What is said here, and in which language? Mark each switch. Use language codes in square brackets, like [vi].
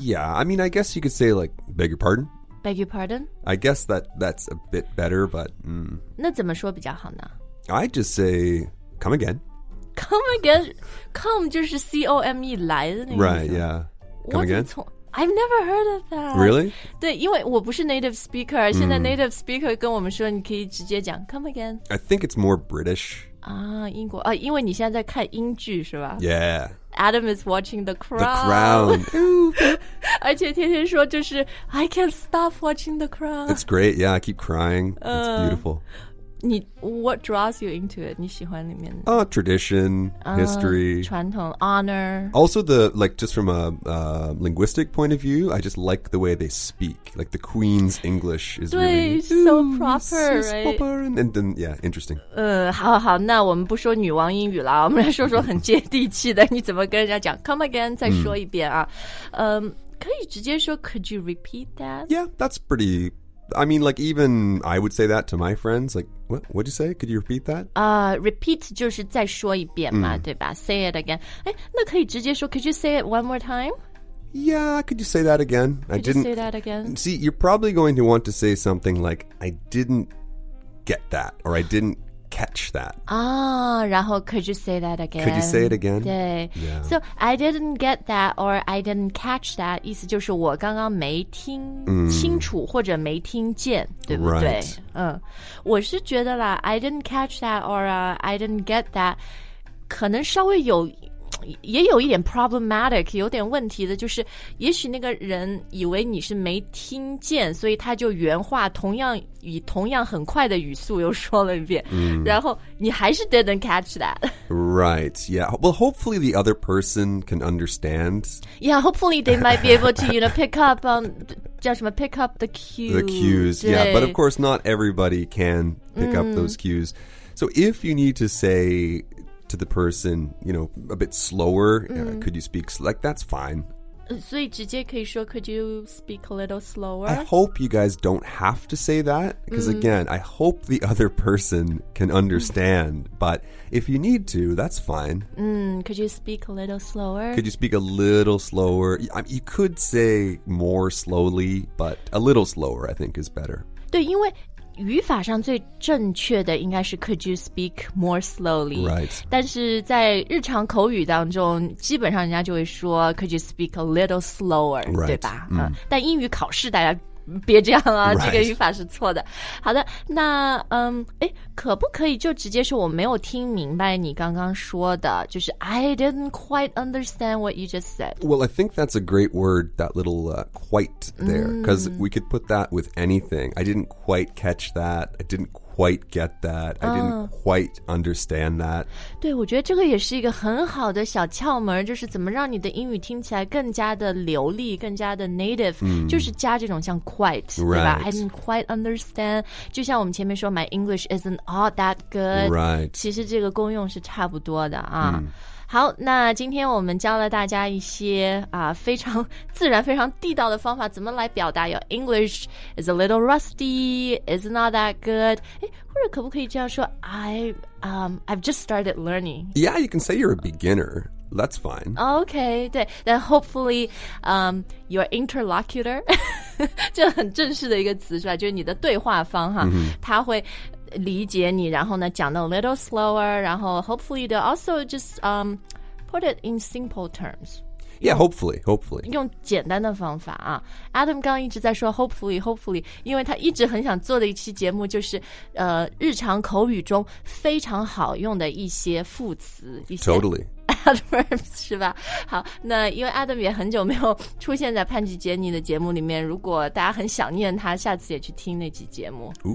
[en] ？Yeah. I mean, I guess you could say like, "Beg your pardon." Beg your pardon. I guess that's a bit better, but. [zh] 那怎么说比较好呢 [en] ？I just say, "Come again." Come again, come [zh] 就是 [en] C-O-M-E [zh] 来的那个 [en] Right, yeah. Come again? I've never heard of that. Really? [zh] 对，因为我不是 [en] native speaker, [zh] 现在 [en] native speaker [zh] 跟我们说你可以直接讲 [en] come again. I think it's more British. [zh] 啊，英国，啊，因为你现在在看英剧是吧 [en] Yeah. Adam is watching The Crown. The Crown. [zh] 而且天天说就是 [en] I can't stop watching The Crown. It's great, yeah, I keep crying. It's beautiful. [zh] 你 [en] what draws you into it? [zh] 你喜欢里面的 [en] tradition, history, [zh] 传统 [en] honor. Also the like just from a linguistic point of view, I just like the way they speak. Like the Queen's English is really so proper, right? Proper and then yeah, interesting. [zh] 好，那我们不说女王英语了，我们来说说很接地气的。你怎么跟人家讲 ？ [en] Come again， [zh] 再说一遍啊。可以直接说 [en] ，Could you repeat that? Yeah, that's pretty. I mean, like, even I would say that to my friends. Like, what'd you say? Could you repeat that? [zh] Repeat 就是再说一遍嘛，对吧 [en] Say it again. [zh] 哎，那可以直接说 [en] Could you say it one more time? Yeah, could you say that again? See, you're probably going to want to say something like, I didn't get that, or I didn't catch that. [zh] 然后 [en] could you say that again? Could you say it again? [zh] 对、 [en] yeah. So, I didn't get that or I didn't catch that. [zh] 意思就是我刚刚没听清楚或者没听见、对不对、 [en] right. [zh] 我是觉得啦 [en] I didn't catch that or I didn't get that. [zh] 可能稍微有也有一点 [en] problematic [zh] 有点问题的就是也许那个人以为你是没听见所以他就原话同样以同样很快的语速又说了一遍、然后你还是 [en] didn't catch that Right, yeah Well, hopefully the other person can understand Yeah, hopefully they might be able to you know, pick up on [zh] 叫什么 [en] pick up the cues The cues, yeah But of course not everybody can pick up those cues So if you need to sayto the person, you know, a bit slower,、could you speak, like, that's fine. [zh] 所以直接可以说 [en] could you speak a little slower? I hope you guys don't have to say that, because、again, I hope the other person can understand,、but if you need to, that's fine.、 could you speak a little slower? Could you speak a little slower? You could say more slowly, but a little slower, I think, is better. [zh] 对，因为语法上最正确的应该是 [en] could you speak more slowly、 right. [zh] 但是在日常口语当中基本上人家就会说 [en] could you speak a little slower、 right. [zh] 对吧、但英语考试大家别这样啊、 [en] right. [zh] 这个语法是错的好的那可不可以就直接说我没有听明白你刚刚说的就是 [en] I didn't quite understand what you just said Well I think that's a great word that little quite there because、we could put that with anything I didn't quite catch that I didn't quite get that I didn't quite understand that [zh] 对我觉得这个也是一个很好的小窍门就是怎么让你的英语听起来更加的流利更加的 [en] native、 [zh] 就是加这种像quite、 [en] right. [zh] 对吧 [en] I didn't quite understand [zh] 就像我们前面说 [en] my English isn't all that good、 right. [zh] 其实这个功用是差不多的啊、好那今天我们教了大家一些啊非常自然非常地道的方法怎么来表达有 [en] English is a little rusty, is not that good. [zh] 或者可不可以这样说 [en] I've just started learning. Yeah, you can say you're a beginner. That's fine. Okay, [zh] 对 [en] then hopefully, your interlocutor, [zh] 这很正式的一个词是吧就是你的对话方哈、他会理解你然后呢讲的 [en] a little slower 然后 hopefully they'll also just put it in simple terms yeah hopefully [zh] 用简单的方法啊 Adam 刚一直在说 [en] hopefully [zh] 因为他一直很想做的一期节目就是日常口语中非常好用的一些副词一些 [en] totally adverbs [zh] 是吧好那因为 Adam 也很久没有出现在潘吉杰尼的节目里面如果大家很想念他下次也去听那期节目